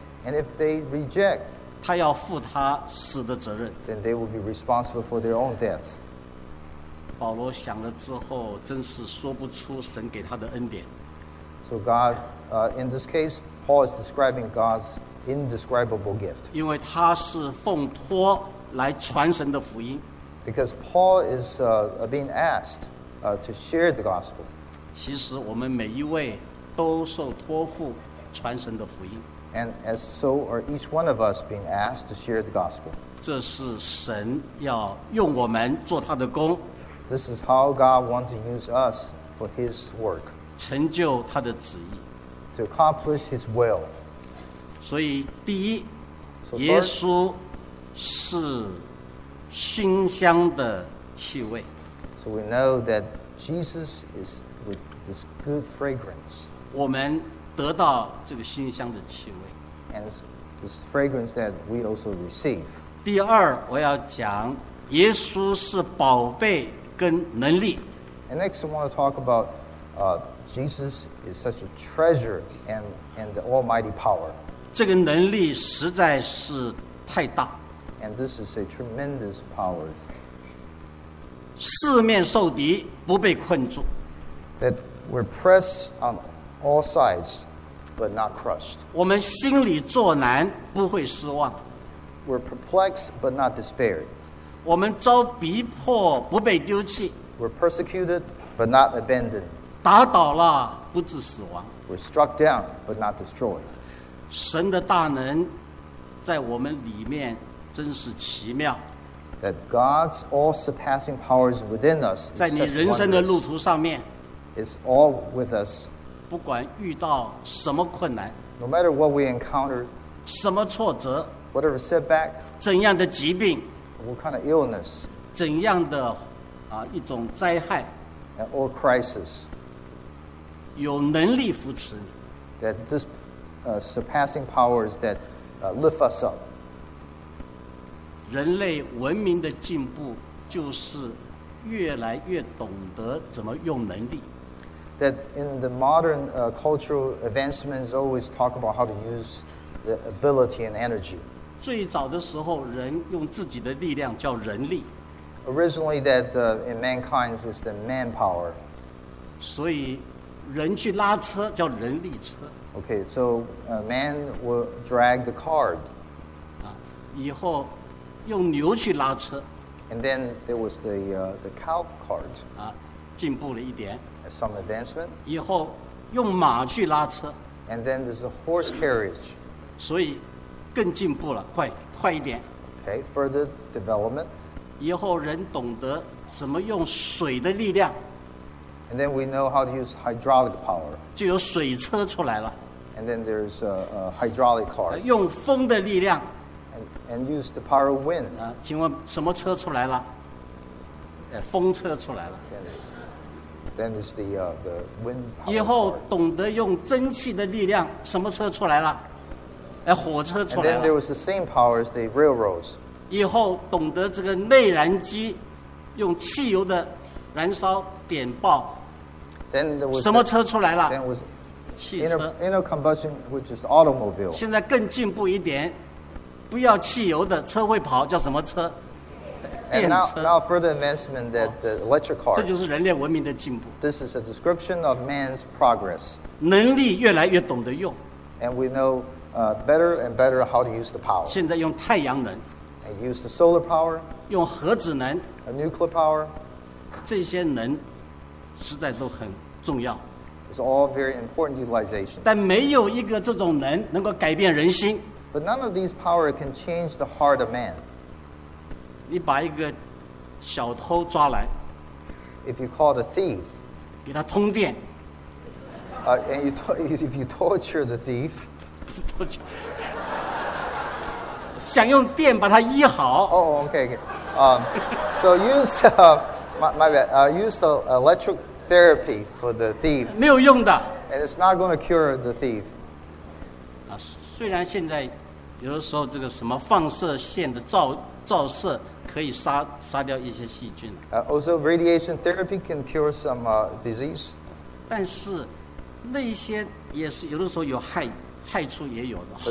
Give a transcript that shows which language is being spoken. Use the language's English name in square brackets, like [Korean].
[English] ，and if they reject, [Chinese] 他要负他死的责任 [English] ，then they will be responsible for their own death. [Chinese] 保罗想了之后，真是说不出神给他的恩典。 [English] So God, in this case, Paul is describing God's indescribable gift. [Chinese] 因为他是奉托来传神的福音。 [English] Because Paul is being asked to share the gospel. [Chinese] 其实我们每一位都受托付传神的福音。 [English] And as so are each one of us being asked to share the gospel. [Chinese] 这是神要用我们做他的工。 [English] This is how God wants to use us for His work. [Chinese] 成就他的旨意。 [English] To accomplish His will. [Chinese] 所以第一，耶稣是馨香的气味。 [English] So we know that Jesus is with this good fragrance. [Chinese] 我们得到这个馨香的气味。 [English] And this fragrance that we also receive. [Chinese] 第二，我要讲耶稣是宝贝跟能力。 [English] And next, I want to talk about Jesus is such a treasure and the almighty power. [Chinese] 这个能力实在是太大。 [English] And this is a tremendous power. [Chinese] 四面受敌不被困住。 [English] That we're pressed on all sides, but not crushed. [Chinese] 我们心里作难不会失望。 [English] We're perplexed, but not despaired. [Chinese] 我们遭逼迫不被丢弃。 [English] We're persecuted, but not abandoned. [Chinese] 打倒了不致死亡。 [English] We're struck down, but not destroyed. [Chinese] 神的大能在我们里面真是奇妙。 [English] That God's all-surpassing powers within us. [Chinese] 在你人生的路途上面 [English] is all with us. [Chinese] 不管遇到什么困难 [English] no matter what we encounter, [Chinese] 什么挫折 [English] whatever setback, [Chinese] 怎样的疾病 [English] what kind of illness, [Chinese] 怎样的一种灾害 [English] and all crisis, [Chinese] 有能力扶持你 [English] that this surpassing powers that lift us up. [Chinese] 人类文明的进步就是越来越懂得怎么用能力。 [English] That in the modern cultural advancements always talk about how to use the ability and energy. [Chinese] 最早的时候人用自己的力量叫人力。 [English] Originally that in mankind is the manpower. [Chinese] 所以人去拉车叫人力车。 [English] Okay, so a man will drag the cart. [Chinese] 以后用牛去拉车 [English] and then there was the cow cart [Chinese] 进步了一点 [English] some advancement [Chinese] 以后用马去拉车 [English] and then there's a horse carriage [Chinese] 所以更进步了快一点 [English] okay further development [Chinese] 以后人懂得怎么用水的力量 [English] and then we know how to use hydraulic power [Chinese] 就有水车出来了 [English] and then there's a hydraulic car [Chinese] 用风的力量 [English] And use the power of wind. [Chinese] 请问什么车出来了？风车出来了。 [English] Then is the wind power. [Chinese] 以后懂得用蒸汽的力量，什么车出来了？火车出来了。 [English] And then there was the same power as the railroads. [Chinese] 以后懂得这个内燃机，用汽油的燃烧点爆。 [English] Then there was [Chinese] 什么车出来了？ [English] Then was [Chinese] 汽车。 [English] Inner combustion, which is automobile. [Chinese] 现在更进步一点。不要汽油的车会跑叫什么车电车 [English] now further advancement that the electric car [Chinese] 这就是人类文明的进步 [English] this is a description of man's progress [Chinese] 能力越来越懂得用 [English] and we know better and better how to use the power [Chinese] 现在用太阳能 [English] and use the solar power [Chinese] 用核子能 [English] a nuclear power [Chinese] 这些能实在都很重要 [English] it's all very important utilization [Chinese] 但没有一个这种能能够改变人心 [English] But none of these power can change the heart of man. [Chinese] 你把一个小偷抓来 [English] If you call the thief, [Chinese] 给他通电 [English] And you if you torture the thief, [Chinese] 不是 torture, 想用电把他医好 [English] Oh, okay, okay. So use use the electric therapy for the thief. [Chinese] 没有用的 [English] And it's not going to cure the thief. [Chinese] 虽然现在有的时候这个什么放射线的照射可以杀掉一些细菌 [English] also radiation therapy can cure some disease [Chinese] 但是那些也是有的时候有害处也有的